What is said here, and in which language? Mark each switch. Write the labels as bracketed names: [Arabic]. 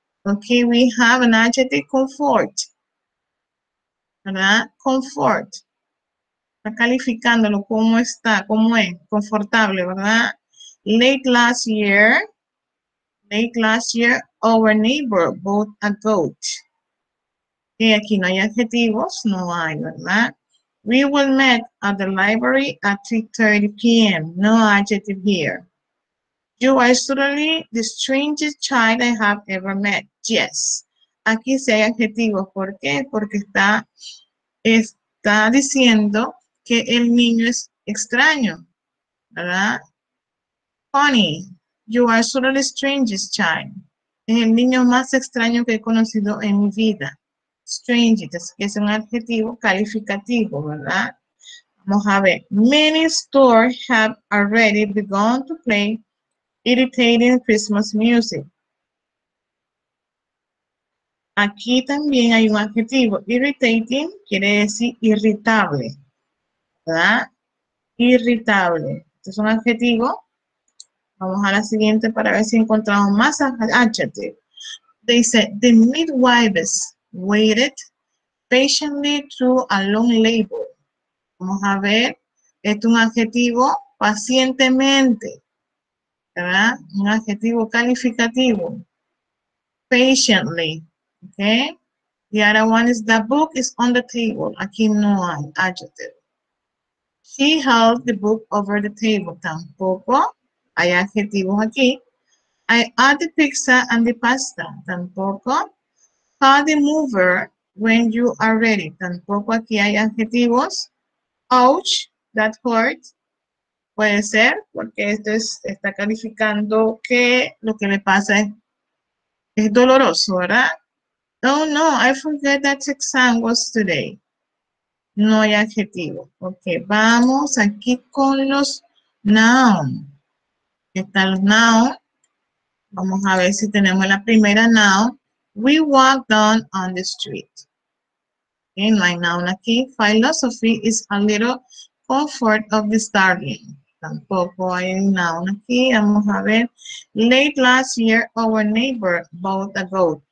[English] Okay, we have an adjective, comfort. [Spanish] ¿Verdad? [English] Comfort. [Spanish] Está calificándolo, ¿cómo está? ¿Cómo es? Confortable, ¿verdad? [English] Late last year, our neighbor bought a goat. [Spanish] Okay, aquí no hay adjetivos, no hay, ¿verdad? [English] We will meet at the library at 3:30 p.m. No adjective here. You are certainly the strangest child I have ever met. [Spanish] Yes. Aquí sí hay adjetivos. ¿Por qué? Porque está diciendo que el niño es extraño. ¿Verdad? Funny. [English] You are certainly the strangest child. [Spanish] Es el niño más extraño que he conocido en mi vida. Strangest. Es un adjetivo calificativo. ¿Verdad? Vamos a ver. [English] Many stores have already begun to play irritating Christmas music. [Spanish] Aquí también hay un adjetivo. Irritating quiere decir irritable. ¿Verdad? Irritable. Este es un adjetivo. Vamos a la siguiente para ver si encontramos más adjetivo. [English] Dice, the midwives waited patiently through a long labor. [Spanish] Vamos a ver. Este es un adjetivo. Pacientemente. ¿Verdad? Un adjetivo calificativo. Patiently. Okay. [English] The other one is the book is on the table. [Spanish] Aquí no hay adjective. [English] She held the book over the table. [Spanish] Tampoco hay adjetivos aquí. [English] I add the pizza and the pasta. [Spanish] Tampoco. [English] Call the mover when you are ready. [Spanish] Tampoco aquí hay adjetivos. [English] Ouch, that hurt. [Spanish] Puede ser, porque esto está calificando que lo que le pasa es Es doloroso, ¿verdad? [English] Oh, no, I forget that exam was today. [Spanish] No hay adjetivo. Ok, vamos aquí con los noun. ¿Qué tal los noun? Vamos a ver si tenemos la primera noun. [English] We walk down on the street. Okay, [Spanish] no hay noun aquí. [English] Philosophy is a little comfort of the starving. [Spanish] Tampoco hay un noun aquí. Vamos a ver. [English] Late last year, our neighbor bought a goat.